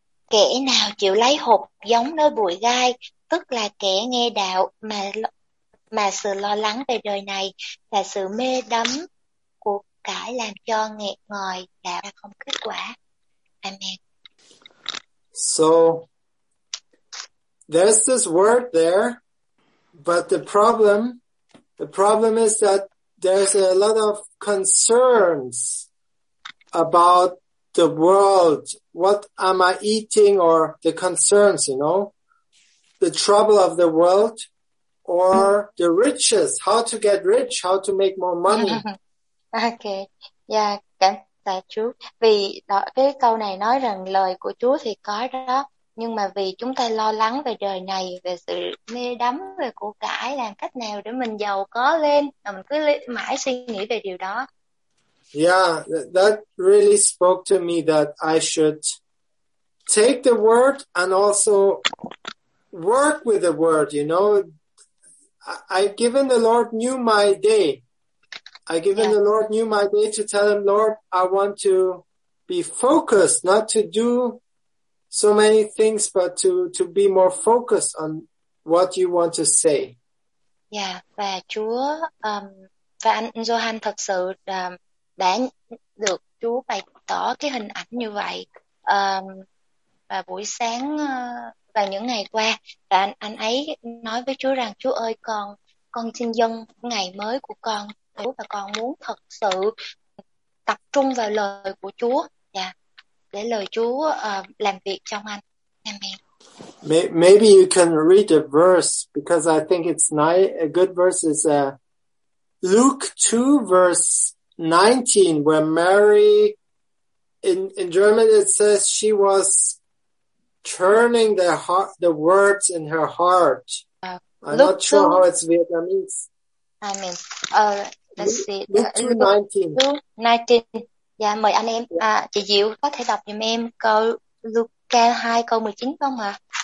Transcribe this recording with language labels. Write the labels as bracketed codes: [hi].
[vi] Kẻ nào chịu lấy hộp giống nơi bụi gai, tức là kẻ nghe đạo mà sự lo lắng về đời này và sự mê đắm của cải làm cho nghẹt ngòi đã không kết quả. Amen. [en] So, there's this word there, but the problem is that there's a lot of concerns about the world, what am I eating, or the concerns, you know, the trouble of the world, or the riches, how to get rich, how to make more money. [vi] Okay, yeah, cảm tạ Chúa. Vì đó, cái câu này nói rằng lời của Chúa thì có đó, nhưng mà vì chúng ta lo lắng về đời này, về sự mê đắm, về của cải, làm cách nào để mình giàu có lên, mình cứ mãi suy nghĩ về điều đó. [en] Yeah, that really spoke to me that I should take the word and also work with the word, you know. I've given the Lord new my day. I've given the Lord new my day to tell him, Lord, I want to be focused, not to do so many things, but to be more focused on what you want to say. [vi] Yeah, và Chúa, và anh Johan thật sự đã được Chúa bày tỏ cái hình ảnh như vậy và buổi sáng và những ngày qua, và anh ấy nói với Chúa rằng, Chúa ơi, con xin dâng ngày mới của con, và con muốn thật sự tập trung vào lời của Chúa, để lời Chúa làm việc trong anh. Amen. [en] Maybe you can read a verse, because I think it's nice. A good verse is Luke 2 verse 19, where Mary, in German it says she was turning the words in her heart. I'm not sure how it's Vietnamese. I mean, [vi] Luke 2:19. Yeah, mời anh em, chị Diệu có thể đọc giùm em câu Luke 2 câu 19 không ạ?